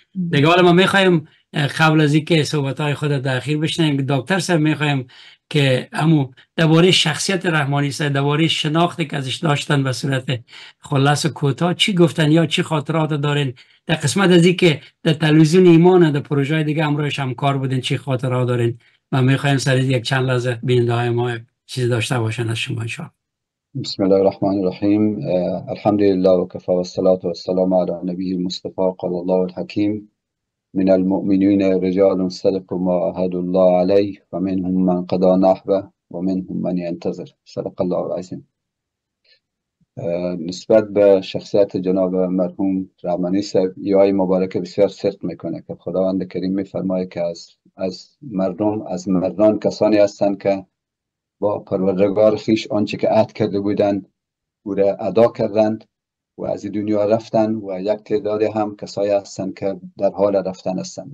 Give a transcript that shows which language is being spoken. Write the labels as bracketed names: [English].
[Persian] دیگه حالا ما میخواییم قبل از اینکه صحبت های خود تاخیر بشنیم، دکتر صاحب میخواییم که همو درباره شخصیت رحمانی صاحب، درباره شناختی که ازش داشتن به صورت خلاص و کوتاه چی گفتن یا چی خاطرات دارین در قسمت از اینکه در تلویزیون ایمان و در پروژه دیگه همراهش هم کار بودین، چی خاطرات دارین؟ ما میخواییم سر یک چند لحظه بینده های ما چیز داشته باشن از شما. شما [Arabic] بسم الله الرحمن الرحیم. الحمد لله وكفى والصلاة والسلام على نبيه المصطفى قال الله الحكيم من المؤمنين رجال صدقوا ما عهد الله عليه ومنهم من قضى نحبه ومنهم من ينتظر صدق الله العظيم. [Persian] نسبت به شخصیت جناب مرحوم رحمانی صاحب یای مبارکه بسیار صدق میکنه که خداوند کریم میفرمایه که از مردان کسانی هستند که با پروردگار خیش آنچه که عهد کرده بودند او را ادا کردند و از دنیا رفتند و یک تعداد هم کسایی هستند که در حال رفتن هستند.